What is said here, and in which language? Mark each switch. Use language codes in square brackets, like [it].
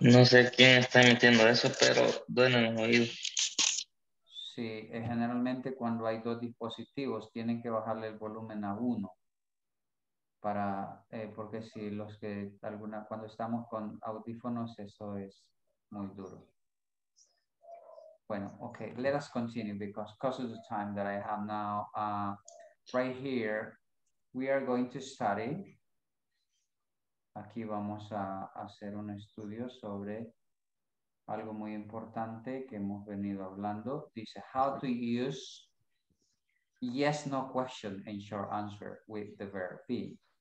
[es] No sé quién está emitiendo eso, pero duele en los oídos. Sí, generalmente cuando hay dos dispositivos tienen que bajarle el volumen a uno para porque si los que alguna cuando estamos con audífonos eso es muy duro. [en] Bueno, okay, let us continue because of the time that I have now. Right here, we are going to study. [es] Aquí vamos a hacer un estudio sobre algo muy importante que hemos venido hablando. [en] Dice, how to use yes, no question and short answer with the verb be.